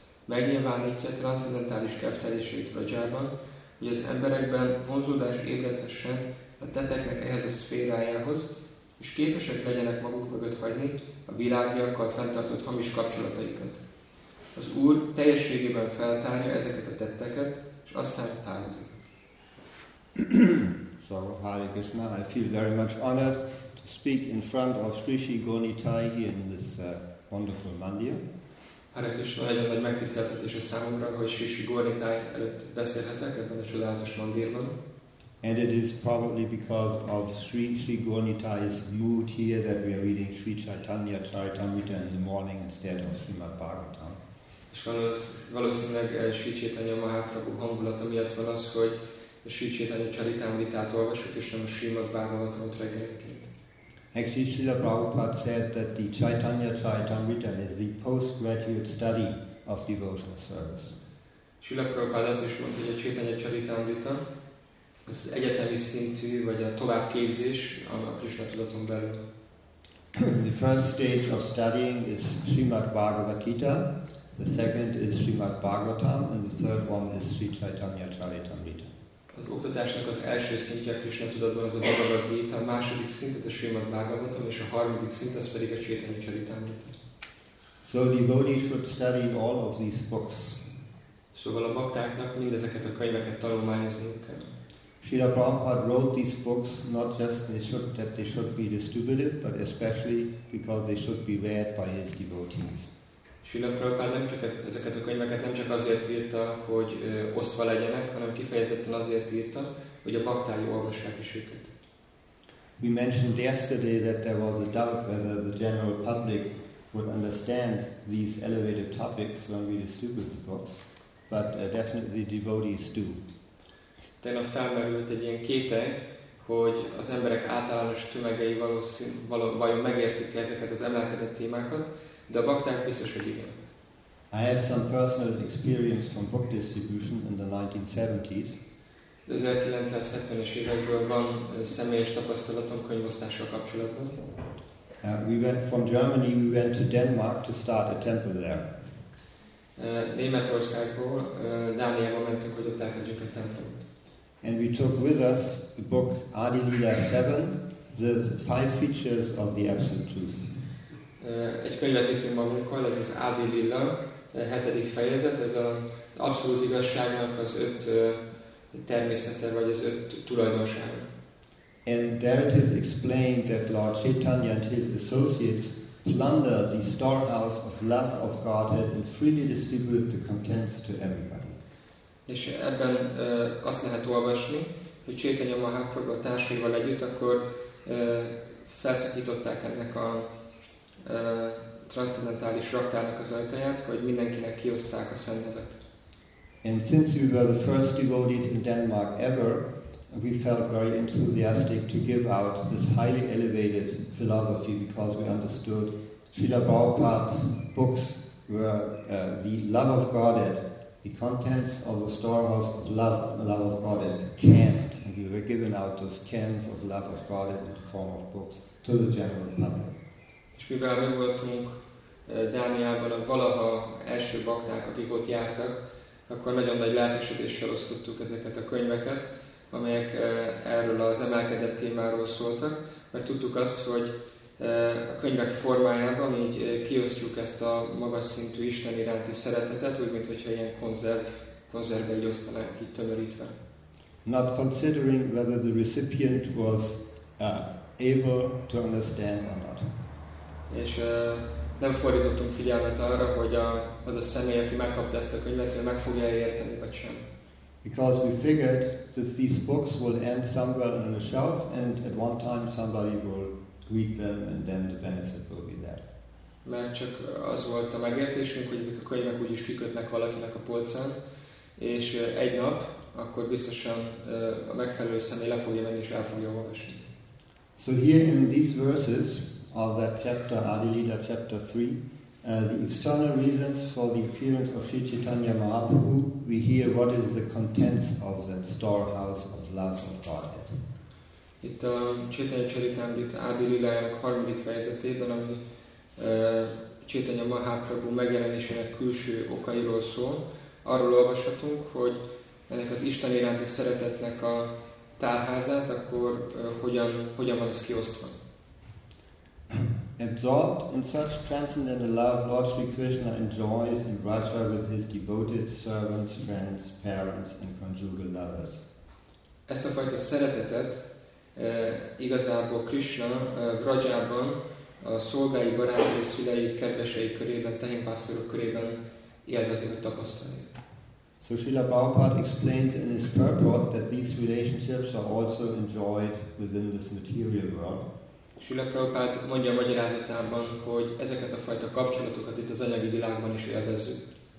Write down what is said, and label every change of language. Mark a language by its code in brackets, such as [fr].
[hu] megnyilvánítja transzcendentális keftelését Vrajában, hogy az emberekben vonzódás ébredhessen a teteknek ehhez a szférájához, és képesek legyenek maguk mögött hagyni a világiakkal fenntartott hamis kapcsolataikat. Az Úr teljességében feltárja ezeket a tetteket, és aztán távozik. [en] So, Hare Krishna, I feel very much honored to speak in front of Sri Sri Goni Thai here in this wonderful mandir. [hu] Hare Krishna, nagyon nagy megtiszteltetés a számomra, hogy Sri Sri Goni Thai előtt beszélhetek ebben a csodálatos mandirban. [en] And it is probably because of Sri Sri Goni Thai's mood here that we are reading Sri Chaitanya Charitamrita in the morning instead of Srimad Bhagavatam. [hu] És valószínűleg Sri Chaitanya Mahaprabhu hangulata miatt van az, hogy a Sri Chaitanya Charitamritát olvasjuk, és nem a Srimad Bhagavatamot reggelként. [en] Actually, Srila Prabhupada said that the Chaitanya Charitamrita is the postgraduate study of devotional service. [hu] Srila Prabhupada azt is mondta, hogy a Chaitanya Charitamrita ez az egyetemi szintű, vagy a továbbképzés a Krishna tudaton belül. [en] The first stage of studying is Srimad Bhagavad Gita, the second is Srimad Bhagavatam, and the third one is Sri Chaitanya Charitamrita. [hu] Az oktatásnak az első szintje a Krishna tudatban az a Bhagavad Gita, a második szint a Srimad Bhagavatam, és a harmadik szint az pedig a Chaitanya Charitamrita. [en] So the devotee should study all of these books. [hu] Szóval a baktáknak mindezeket a könyveket tanulmányozniuk kell. [en] Srila Prabhupada wrote these books not just that they should be distributed, but especially because they should be read by his devotees. [hu] Srila Prabhupada nem csak ezeket a könyveket nem csak azért írta, hogy osztva legyenek, hanem kifejezetten azért írta, hogy a baktái olvassák is őket. [en] We mentioned yesterday that there was a doubt whether the general public would understand these elevated topics when we distribute the books, but definitely devotees do. [hu] Tegnap felmerült egy ilyen kétel, hogy az emberek általános tömegei vajon megértik ezeket az emelkedett témákat, de a bakták biztos, hogy igen. [en] I have some personal experience from book distribution in the 1970s. [hu] Az 1970-es évekből van személyes tapasztalatom könyvosztással kapcsolatban. [en] We went to Denmark to start a temple there. [hu] Németországból Dániába mentünk, hogy ott elkezdjük a templom. [en] And we took with us the book Adi Lila 7, the five features of the Absolute Truth. [hu] Egy könyvet vittünk magunkkal, ez az Adi Lila, hetedik fejezet, ez az abszolút igazságnak az öt természete, vagy az öt tulajdonsága. [en] And there it is explained that Lord Chaitanya and his associates plunder the storehouse of love of Godhead and freely distribute the contents to everybody. [hu] És ebben azt lehet olvasni, hogy Chaitanya Mahaprabhu a társaival együtt, akkor felszakították ennek a transzcendentális raktárnak az ajtaját, hogy mindenkinek kiosszák a szennevet. [en] And since we were the first devotees in Denmark ever, we felt very enthusiastic to give out this highly elevated philosophy because we understood Srila Prabhupada's books were the love of Godhead. The contents of the storehouse of love of Godhead, canned. And we were given out those cans of love of Godhead in the form of books to the general public. [hu] És mivel mi voltunk Dániában a valaha első bakták, akik ott jártak, akkor nagyon nagy lelkesedéssel osztottuk ezeket a könyveket, amelyek erről az emelkedett témáról szóltak, mert tudtuk azt, hogy a könyvek formájában így kiosztjuk ezt a magas szintű Isten iránti szeretetet, úgy mintha ilyen konzervbe így osztanánk itt tömörítve. [en] Not considering whether the recipient was able to understand or not. [hu] És nem fordítottunk figyelmet arra, hogy az a személy, aki megkapta ezt a könyvet, meg fogja érteni, vagy sem. [en] Because we figured that these books will end somewhere on a shelf and at one time somebody will read them, and then the benefit will be there. [hu] Mert csak az volt a megértésünk, hogy ezek a könyvek úgyis kikötnek valakinek a polcán, és egy nap, akkor biztosan a megfelelő személy le fogja menni és el fogja olvasni. [en] So here in these verses of that chapter, Adi Lila chapter 3, the external reasons for the appearance of Sri Chaitanya Mahaprabhu, we hear what is the contents of that storehouse of love of Godhead. [hu] Itt a Chaitanya Charitamrita Adi Lilájának harmadik fejezetében, ami Chaitanya Mahaprabhu megjelenésének külső okairól szól. Arról olvashatunk, hogy ennek az Isten iránti szeretetnek a tárházát, akkor hogyan van ez kiosztva? [en] Absorbed in such transcendental love, Lord Sri Krishna enjoys in Raja with his devoted servants, friends, parents and conjugal lovers. [hu] Ezt a fajta szeretetet igazából Krishna Rajában a szolgái barátai, szülei, kedvesei körében, tehénpásztorok körében élvezi, hogy tapasztalni. [en] So Srila Prabhupada explains in his purport that these relationships are also enjoyed within this material world. [hu] Srila Prabhupada mondja a magyarázatában, hogy ezeket a fajta kapcsolatokat itt az anyagi világban is élvezzük.